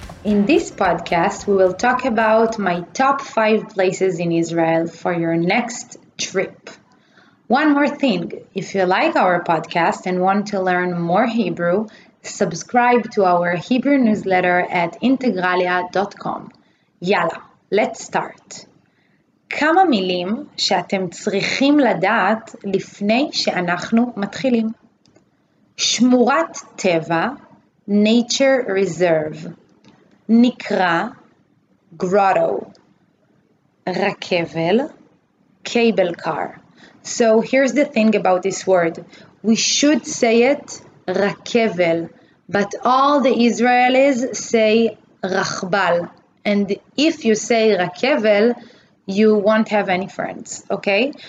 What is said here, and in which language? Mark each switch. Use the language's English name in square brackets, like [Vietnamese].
[English] In this podcast, we will talk about my top 5 places in Israel for your next trip. One more thing, if you like our podcast and want to learn more Hebrew, subscribe to our Hebrew newsletter at integraliah.com. Yalla, let's start. [Hebrew] כמה מילים שאתם צריכים לדעת לפני שאנחנו מתחילים. שמורת טבע, [English] nature reserve. [Hebrew] נקרא, [English] grotto. [Hebrew] רכבל, [English] cable car. So here's the thing about this word. We should say it rakevel, but all the Israelis say rachbal. And if you say rakevel, you won't have any friends, okay?